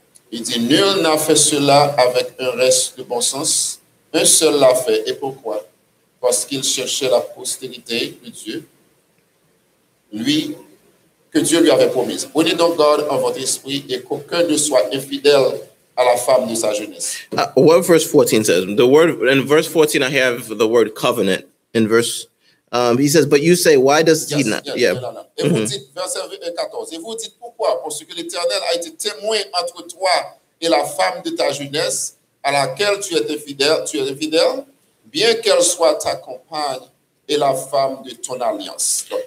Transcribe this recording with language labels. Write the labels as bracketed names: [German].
[French] Il dit, nul n'a fait cela avec un reste de bon sens. Un seul l'a fait. Et pourquoi? Parce qu'il cherchait la postérité de Dieu. Lui, que Dieu lui avait promise. Prenez donc garde en votre esprit et qu'aucun ne soit infidèle à la femme de sa jeunesse. [English] What verse 14 says? The word in verse 14, I have the word covenant. In verse, he says, but you say, why does yes, he not? Yes, yeah. [French] Non. Et mm-hmm. vous dites, verset 14, et vous dites pourquoi? Parce que l'Éternel a été témoin entre toi et la femme de ta jeunesse à laquelle tu es infidèle, bien qu'elle soit ta compagne et la femme de ton alliance.